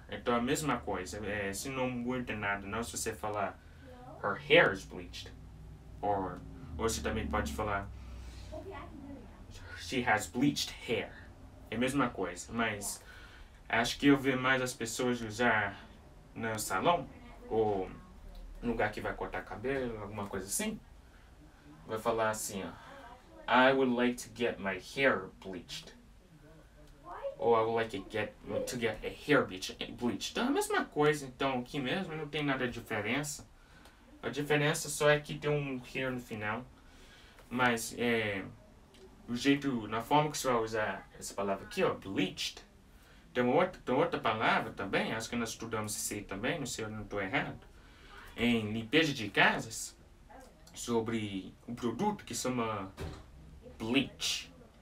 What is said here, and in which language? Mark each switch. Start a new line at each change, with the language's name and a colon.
Portuguese: Então é a mesma coisa, se não muda nada, não, se você falar
English: her hair is bleached,
Portuguese: ou você também pode falar
English: she has bleached hair.
Portuguese: É a mesma coisa, mas acho que eu vi mais as pessoas usar no salão ou no lugar que vai cortar cabelo, alguma coisa assim. Vai falar assim, ó,
English: I would like to get my hair bleached.
Portuguese: Ou
English: I would like to get a hair bleached.
Portuguese: Então é a mesma coisa, então aqui mesmo não tem nada de diferença. A diferença só é que tem um hair no final. Mas é o jeito, na forma que você vai usar essa palavra aqui, ó, bleached. Tem outra palavra também, acho que nós estudamos isso aí também, não sei se eu não estou errado, em limpeza de casas, sobre um produto que chama bleach.